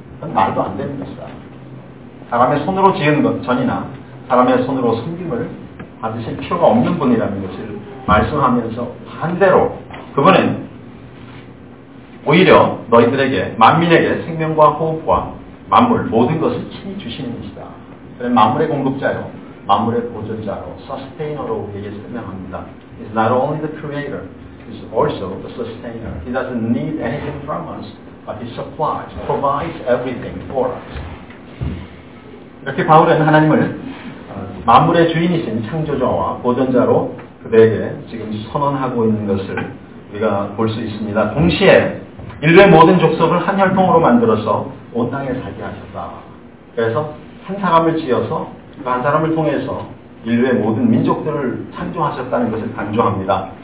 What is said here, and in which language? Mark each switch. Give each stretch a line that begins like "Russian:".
Korean: 그건 말도 안 되는 것이다. 사람의 손으로 지은 것 전이나 사람의 손으로 섬김을 받으실 필요가 없는 분이라는 것을 말씀하면서 반대로 그분은 오히려 너희들에게 만민에게 생명과 호흡과 만물 모든 것을 친히 주시는 이시다. 만물의 공급자요, 만물의 보존자로, sustainer로 우리에게 설명합니다.
English: He's not only the creator, he's also the sustainer. He doesn't need anything from us, but he supplies, provides everything for us.
Korean: 이렇게 바울은 하나님을 만물의 주인이신 창조자와 보존자로 그들에게 지금 선언하고 있는 것을 우리가 볼 수 있습니다. 동시에 인류의 모든 족속을 한 혈통으로 만들어서 온 땅에 살게 하셨다. 그래서 한 사람을 지어서 그 한 사람을 통해서 인류의 모든 민족들을 창조하셨다는 것을 강조합니다.